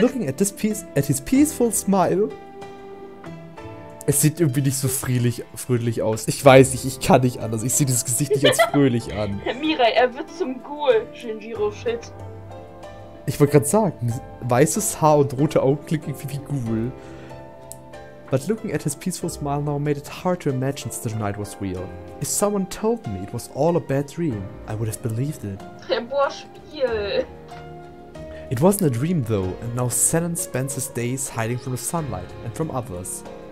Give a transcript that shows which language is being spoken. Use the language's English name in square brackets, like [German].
[English] Looking at this piece, at his peaceful smile. [German] Es sieht irgendwie nicht so fröhlich aus. Ich weiß nicht, ich kann nicht anders. Ich sehe dieses Gesicht nicht als fröhlich an. Mirai, er wird zum Ghoul. Shinjiro, shit. Ich wollte gerade sagen, weißes Haar und rote Augen klingen wie Ghoul. [English] But looking at his peaceful smile now made it hard to imagine that the night was real. If someone told me it was all a bad dream, I would have believed it. [German] Boah, Spiel! [English] It wasn't a dream though, and now Sanon spends his days hiding from the sunlight and from others.